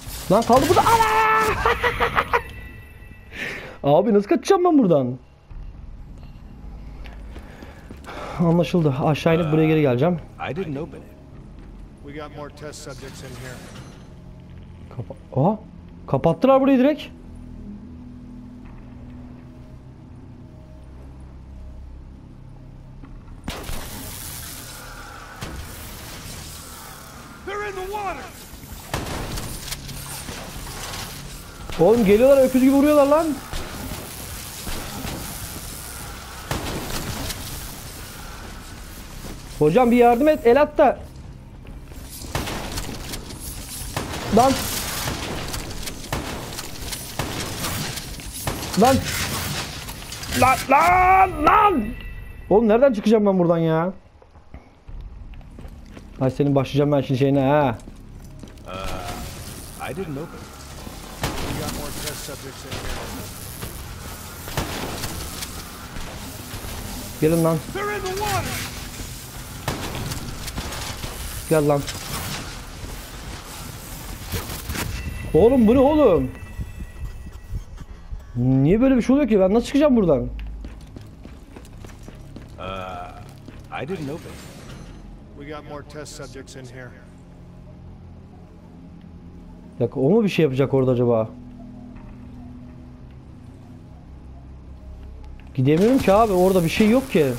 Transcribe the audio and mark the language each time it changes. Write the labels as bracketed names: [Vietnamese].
[Turkish] Lan kaldı burada. Ana! Abi nasıl kaçacağım ben buradan? Anlaşıldı. Aşağı inip buraya geri geleceğim. [English] I didn't open it. We got more test subjects in here. [Turkish] Oha. Kapattılar burayı direkt. Oğlum geliyorlar, öküz gibi vuruyorlar lan. Hocam bir yardım et, el at da. Lan. Lan. Lan lan lan. Oğlum nereden çıkacağım ben buradan ya? Hadi senin başlayacağım ben şimdi şeyine ha. [English] I didn't open. We got more test subjects in here. [Turkish] Gelin lan. Gel lan. Oğlum bu ne oğlum? Niye böyle bir şey oluyor ki? Ben nasıl çıkacağım buradan? [English] I didn't open. We got more test subjects in here. [Turkish] Ya o mu bir şey yapacak orada acaba? Gidemiyorum ki abi, orada bir şey yok ki.